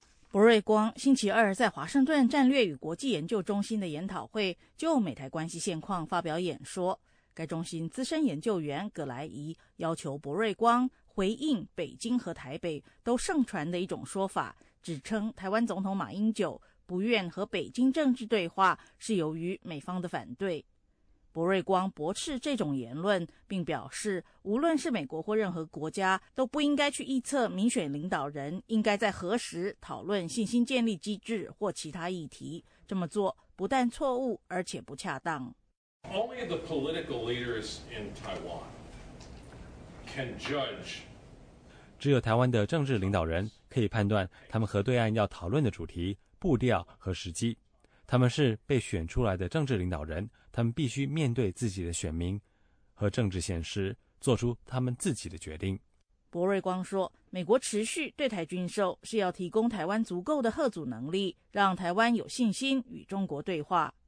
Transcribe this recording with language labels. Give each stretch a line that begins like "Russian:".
Chinese: 博瑞光星期二在华盛顿战略与国际研究中心的研讨会就美台关系现况发表演说，该中心资深研究员葛莱仪要求博瑞光回应北京和台北都盛传的一种说法，指称台湾总统马英九不愿和北京政治对话是由于美方的反对。博瑞光驳斥这种言论，并表示无论是美国或任何国家都不应该去臆测民选领导人应该在何时讨论信心建立机制或其他议题，这么做不但错误而且不恰当。
English: Only the political leaders in Taiwan can judge.
Chinese: 只有台湾的政治领导人可以判断他们和对岸要讨论的主题、步调和时机。他们是被选出来的政治领导人，他们必须面对自己的选民和政治现实，做出他们自己的决定。博瑞光说，美国持续对台军售是要提供台湾足够的吓阻能力，让台湾有信心与中国对话。